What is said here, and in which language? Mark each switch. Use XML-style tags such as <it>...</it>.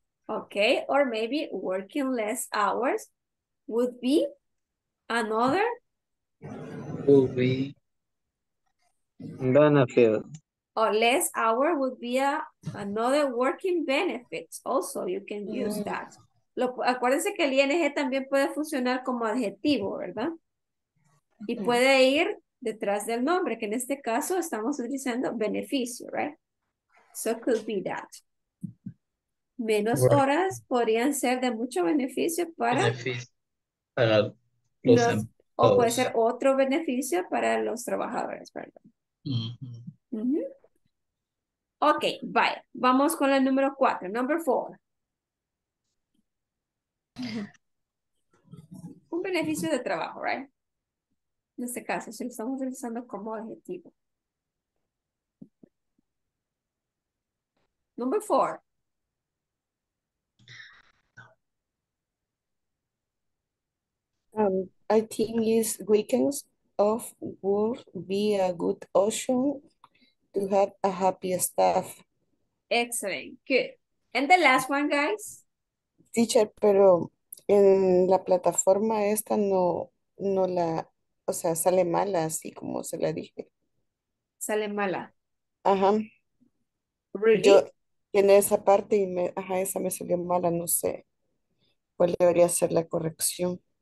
<en>Okay, or maybe working less hours would be another? Will be benefit. Or less hour would be another working benefit. Also, you can use that.</en> <es>Acuérdense que el ING también puede funcionar como adjetivo, ¿verdad? Y puede ir detrás del nombre, que en este caso estamos utilizando beneficio,</es> <en>right? So it could be that.</en> <es>Menos horas podrían ser de mucho beneficio para... Beneficio para los empleados. O puede ser otro beneficio para los trabajadores, perdón. Ok, vaya. Vamos con la número 4.</es> <en>Number 4.</en> <es>Un beneficio de trabajo,</es> <en>right?</en> <es>En este caso, si lo estamos utilizando como adjetivo.</es> <en>Number 4. I think is weekends off would be a good option to have a happy staff. Excellent. Good. And the last one, guys.</en> <es>Teacher, pero en la plataforma esta no la, o sea, sale mala, así como se la dije. Sale mala. Ajá.</es> <en>Really?</en> <es>Tiene esa parte y me, ajá, esa me salió mala, no sé cuál debería ser la corrección.</es>